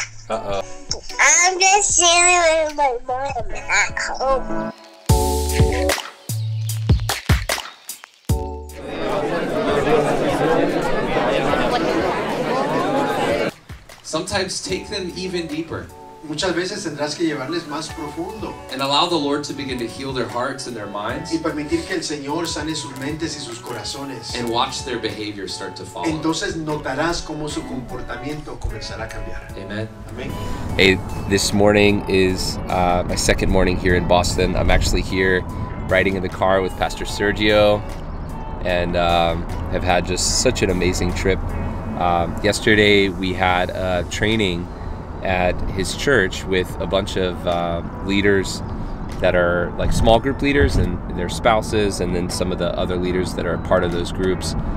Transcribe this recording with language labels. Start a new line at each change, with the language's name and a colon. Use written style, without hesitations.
English: I'm just sitting with my mom at home. Sometimes take them even deeper.
Spanish: Muchas veces tendrás que llevarles más profundo.
English: And allow the Lord to begin to heal their hearts and their minds.
Spanish: Y permitir que el Señor sane sus mentes y sus corazones.
English: And watch their behavior start to follow.
Spanish: Entonces notarás cómo su comportamiento comenzará a cambiar.
English: Amen. Amen. Hey, this morning is my second morning here in Boston. I'm actually here riding in the car with Pastor Sergio, and have had just such an amazing trip. Yesterday we had a training at his church with a bunch of leaders that are like small group leaders and their spouses, and then some of the other leaders that are part of those groups.